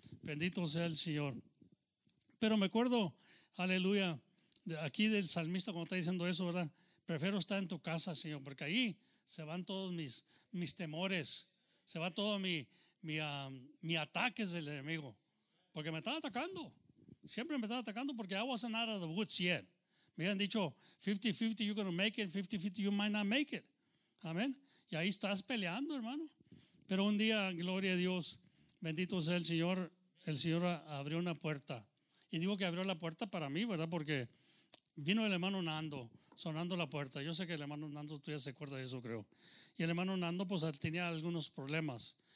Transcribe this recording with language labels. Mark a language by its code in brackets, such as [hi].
[es] Bendito sea el Señor. Pero me acuerdo, aleluya, de aquí del salmista cuando está diciendo eso, ¿verdad? Prefiero estar en tu casa, Señor, porque ahí se van todos mis temores, se va todo mi ataques del enemigo, porque me estaba atacando, siempre me estaba atacando, porque [en] I wasn't out of the woods yet. [es] Me han dicho, [en] 50-50, you're going to make it. 50-50, you might not make it. Amén. [es] Y ahí estás peleando, hermano. Pero un día, gloria a Dios, bendito sea el Señor abrió una puerta. Y digo que abrió la puerta para mí, ¿verdad? Porque vino el hermano Nando, sonando la puerta. Yo sé que el hermano Nando, tú ya se acuerdas de eso, creo. Y el hermano Nando, pues, tenía algunos problemas.